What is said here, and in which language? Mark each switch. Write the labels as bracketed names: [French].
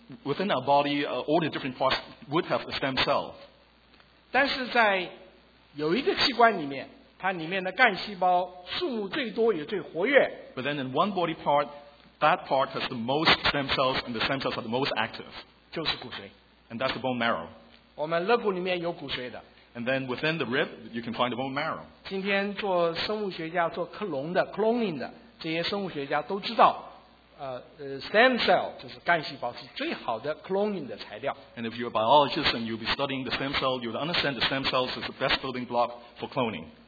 [English] within our body, all the different parts would have a stem cell. [Chinese] 但是在有一个器官里面, 它里面的干细胞数目最多也最活跃。 [English] But then in one body part, that part has the most stem cells, and the stem cells are the most active. [Chinese] 就是骨髓。 [English] And that's the bone marrow. [Chinese] 我们肋骨里面有骨髓的。 [English] And then within the rib, you can find the bone marrow. [Chinese] 今天做生物学家做克隆的, cloning的, 这些生物学家都知道, stem cell, 就是干细胞是最好的 cloning的材料。 [English] And if you're a biologist and you'll be studying the stem cell, you'll understand the stem cells is the best building block for cloning.